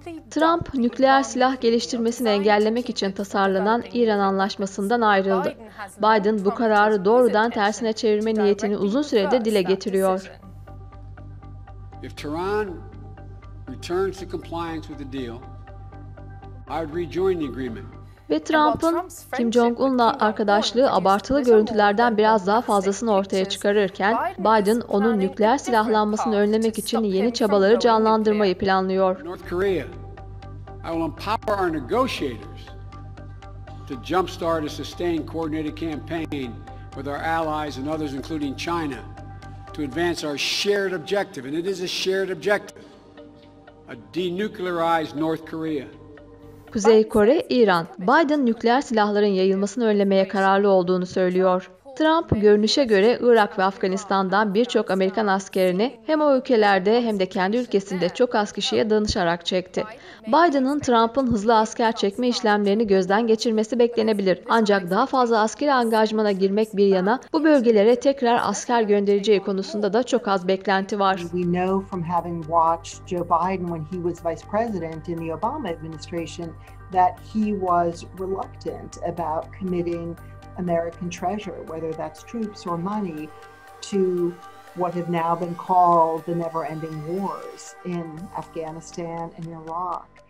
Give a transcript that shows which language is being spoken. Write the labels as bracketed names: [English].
[Turkish] Trump, nükleer silah geliştirmesini engellemek için tasarlanan İran Anlaşması'ndan ayrıldı. Biden bu kararı doğrudan tersine çevirme niyetini uzun süredir dile getiriyor. [English] If Tehran returns to compliance with the deal, I would rejoin the agreement. [Turkish] Ve Trump'ın Kim Jong-un'la arkadaşlığı abartılı görüntülerden biraz daha fazlasını ortaya çıkarırken, Biden onun nükleer silahlanmasını önlemek için yeni çabaları canlandırmayı planlıyor. [English] North Korea, I will empower our negotiators to jumpstart a sustained coordinated campaign with our allies and others, including China, to advance our shared objective, and it is a shared objective, a denuclearized North Korea. [Turkish] Kuzey Kore, İran. Biden nükleer silahların yayılmasını önlemeye kararlı olduğunu söylüyor. Trump, görünüşe göre Irak ve Afganistan'dan birçok Amerikan askerini hem o ülkelerde hem de kendi ülkesinde çok az kişiye danışarak çekti. Biden'ın Trump'ın hızlı asker çekme işlemlerini gözden geçirmesi beklenebilir. Ancak daha fazla askeri angajmana girmek bir yana, bu bölgelere tekrar asker göndereceği konusunda da çok az beklenti var. [English] We know from having watched Joe Biden when he was vice president in the Obama administration that he was reluctant about committing American treasure, whether that's troops or money, to what have now been called the never-ending wars in Afghanistan and Iraq.